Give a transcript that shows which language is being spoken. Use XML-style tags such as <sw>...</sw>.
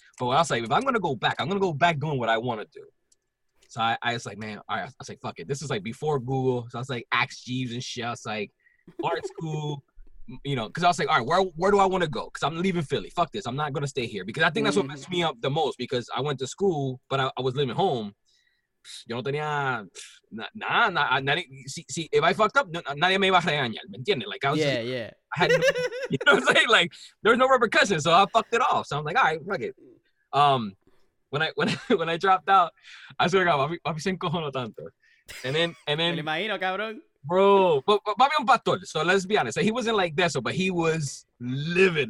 <en>But I was like, if I'm gonna go back, I'm gonna go back doing what I wanna do. So I was like, man, all right. I was like, fuck it. This is like before Google. So I was like, Axe Jeeves and shit. I was like, art school, you know, because I was like, all right, where do I want to go? Because I'm leaving Philly. Fuck this. I'm not going to stay here. Because I think that's what messed me up the most, because I went to school, but I was living home.</en> <es>Yo no tenía, nah,</es> <en>if I fucked up,</en> <es>nadie me iba a regañar, ¿me entiendes?</es> <en>Like, I was yeah. I had no, you know what I'm saying? Like, there was no repercussions, so I fucked it off. So I'm like, all right, fuck it. When I dropped out, I swear to God,</en> <es>papi se encojonó tanto.</es> <en>And then</en> <es>me imagino, cabrón.</es> <en>Bro, but</en> <es>papi un pastor,</es> <en>so let's be honest. So he wasn't like that, but he was living.</en>